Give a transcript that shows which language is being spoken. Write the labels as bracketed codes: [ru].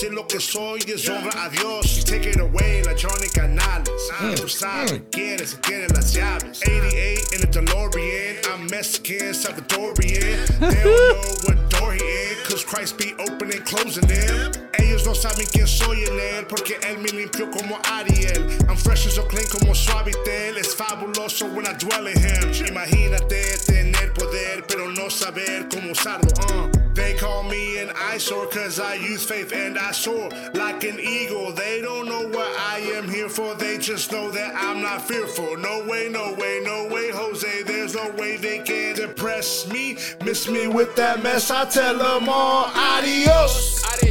[es] Si lo que soy es honra a Dios. [en] Take it away, [es] la Johnny Canales. Tú sabes, quieres, si tienes las llaves. [en] 88 in the DeLorean. I'm Mexican, Salvadorian. They don't know what door he is. Christ be opening, closing them. [es] Ellos no saben quién soy en él, porque él me limpió como Ariel. [en] I'm fresh and so clean [es] como Suavitel. Es fabuloso [en] when I dwell in him. [es] Imagínate tener poder, pero no saber cómo usarlo. [en] They call me an eyesore, cause I use faith and I soar like an eagle. They don't know what I am here for, they just know that I'm not fearful. No way, Jose, there's no way they can depress me. Miss me with that mess, I tell them all, adios.